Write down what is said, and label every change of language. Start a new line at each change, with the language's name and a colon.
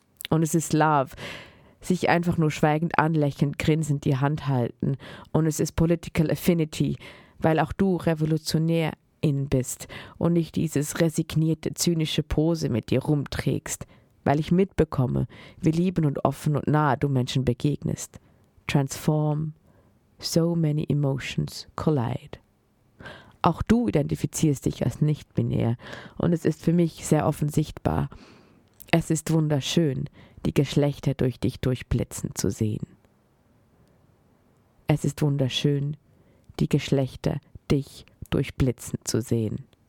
German: Und es ist Love, sich einfach nur schweigend anlächelnd, grinsend die Hand halten. Und es ist
English: Political Affinity,
German: weil auch du Revolutionärin bist und nicht dieses resignierte, zynische Pose mit dir rumträgst, weil ich mitbekomme, wie lieben und offen und nah du Menschen begegnest.
English: Transform, so many emotions collide.
German: Auch du identifizierst dich als nicht-binär und es ist für mich sehr offen sichtbar. Es ist wunderschön, die Geschlechter durch dich durchblitzen zu sehen. Es ist wunderschön, die Geschlechter dich durchblitzen zu sehen.